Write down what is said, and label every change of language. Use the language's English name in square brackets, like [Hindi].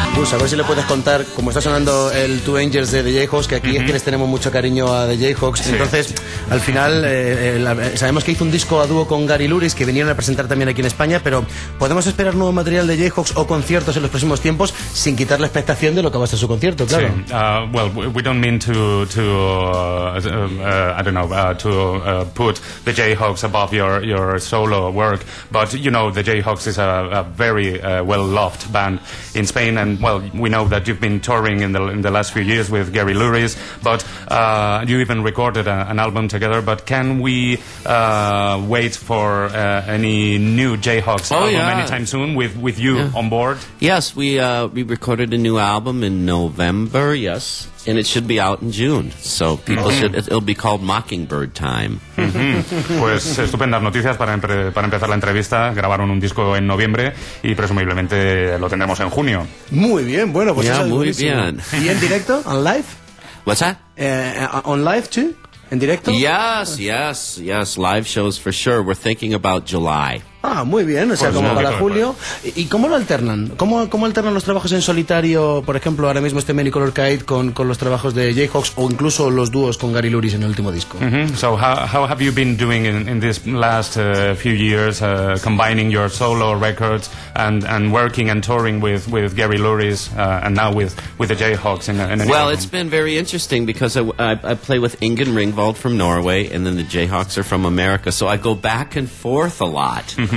[Spanish] Gus, a ver si le puedes contar, como está sonando el Two Angels de The Jayhawks, que aquí es que les tenemos mucho cariño a The Jayhawks. Sí. Entonces, al final, sabemos que hizo un disco a dúo con Gary Louris, que vinieron a presentar también aquí en España, pero ¿podemos esperar nuevo material de Jayhawks o conciertos en los próximos tiempos sin quitar la expectación de lo que va a ser su concierto, claro? Sí. [English] We don't mean to put the Jayhawks above your solo work, but you know the Jayhawks is a very well loved band in Spain, and well, we know that you've been touring in the last few years with Gary Louris, but you even recorded an album together. But can we wait for any new Jayhawks album anytime soon with you on board? Yes, we recorded a new album in November. Yes. And it should be out in June, so people it'll be called Mockingbird Time. [Spanish] Mm-hmm. Pues estupendas noticias para empezar la entrevista. Grabaron un disco en noviembre y presumiblemente lo tendremos en junio. Muy bien, bueno, pues yeah, eso es muy durísimo. Bien. ¿Y en directo? [English] ¿On live? What's that? On live too? [Spanish] ¿En directo? [English] Yes, yes, yes, live shows for sure. We're thinking about July. [Spanish] Ah, muy bien, o sea, pues como para julio. ¿Y cómo lo alternan? ¿Cómo alternan los trabajos en solitario, por ejemplo, ahora mismo este Many Color Kite con los trabajos de Jayhawks o incluso los dúos con Gary Louris en el último disco? Mm-hmm. [English] So how have you been doing in this last few years combining your solo records and working and touring with Gary Louris and now with the Jayhawks in well, album? It's been very interesting because I play with Ingun Ringvold from Norway and then the Jayhawks are from America, so I go back and forth a lot.